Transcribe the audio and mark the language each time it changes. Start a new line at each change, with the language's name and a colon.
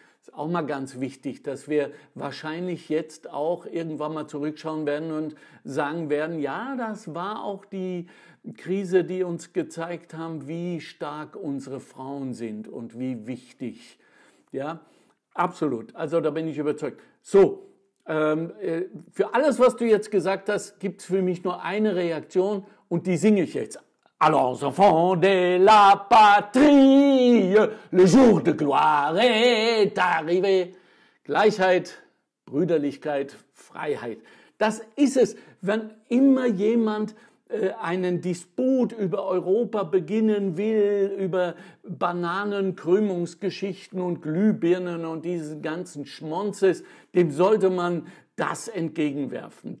German: Ist auch mal ganz wichtig, dass wir wahrscheinlich jetzt auch irgendwann mal zurückschauen werden und sagen werden, ja, das war auch die Krise, die uns gezeigt haben, wie stark unsere Frauen sind und wie wichtig. Ja, absolut. Also da bin ich überzeugt. So. Für alles, was du jetzt gesagt hast, gibt es für mich nur eine Reaktion und die singe ich jetzt.
French: Alors, enfants de la patrie, le jour de gloire est arrivé.
German: Gleichheit, Brüderlichkeit, Freiheit. Das ist es. Wenn immer jemand einen Disput über Europa beginnen will, über Bananenkrümmungsgeschichten und Glühbirnen und diesen ganzen Schmonzes, dem sollte man das entgegenwerfen.